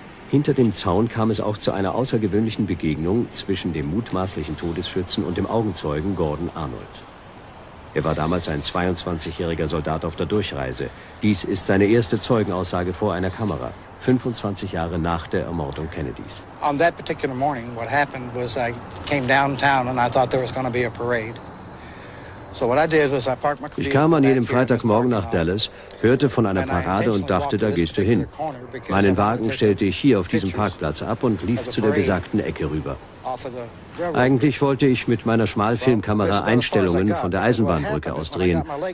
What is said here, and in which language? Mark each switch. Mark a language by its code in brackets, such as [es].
[de] Hinter dem Zaun kam es auch zu einer außergewöhnlichen Begegnung zwischen dem mutmaßlichen Todesschützen und dem Augenzeugen Gordon Arnold. Er war damals ein 22-jähriger Soldat auf der Durchreise. Dies ist seine erste Zeugenaussage vor einer Kamera, 25 Jahre nach der Ermordung Kennedys. [en] On that particular morning, what happened was I came downtown and I thought there was going to be a parade. So what I did was I parked my car. [de] Ich kam an jedem Freitagmorgen nach Dallas, hörte von einer Parade und dachte, da gehst du hin. Meinen Wagen stellte ich hier auf diesem Parkplatz ab und lief zu der besagten Ecke rüber. Eigentlich wollte ich mit meiner Schmalfilmkamera Einstellungen von der Eisenbahnbrücke aus drehen.